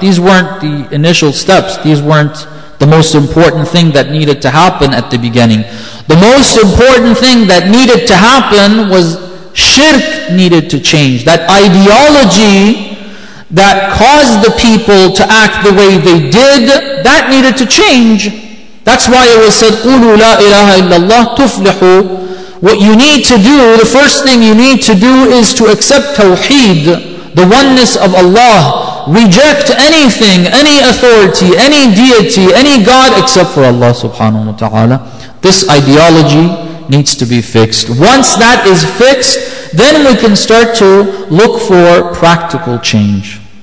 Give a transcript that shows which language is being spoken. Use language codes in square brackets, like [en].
[en] These weren't the initial steps. These weren't the most important thing that needed to happen at the beginning. The most important thing that needed to happen was shirk needed to change. That ideology that caused the people to act the way they did, that needed to change. That's why it was said, [ar] قُلُوا لَا إِلَهَ إِلَّا اللَّهُ تُفْلِحُوا. [en] What you need to do, the first thing you need to do is to accept Tawheed, the oneness of Allah. Reject anything, any authority, any deity, any God except for Allah subhanahu wa ta'ala. This ideology needs to be fixed. Once that is fixed, then we can start to look for practical change.